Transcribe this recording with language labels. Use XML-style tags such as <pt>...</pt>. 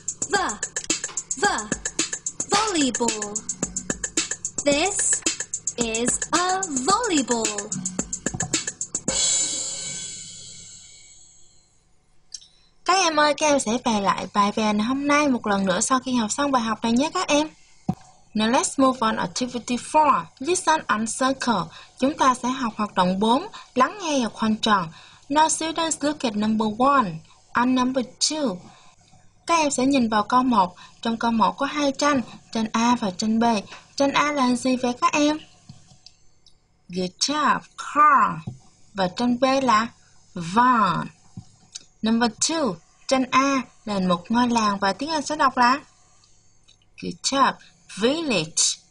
<en>V, V, volleyball. This is a volleyball.</en> <vi>em ơi, các em sẽ về lại bài về ngày hôm nay một lần nữa sau khi học xong bài học này nhé các em.</vi> <en>Now let's move on activity 4, listen and circle.</en> <vi>Chúng ta sẽ học hoạt động 4, lắng nghe và khoanh tròn.</vi> <en>Now students look at number 1 and number 2.</en> <vi>Các em sẽ nhìn vào câu 1. Trong câu 1 có hai tranh A và tranh B. Tranh A là gì vậy các em?</vi> <en>Good job, car.</en> <vi>Và tranh B là van. Number 2, tranh A là một ngôi làng và tiếng Anh sẽ đọc là</vi> <en>good job, village.</en>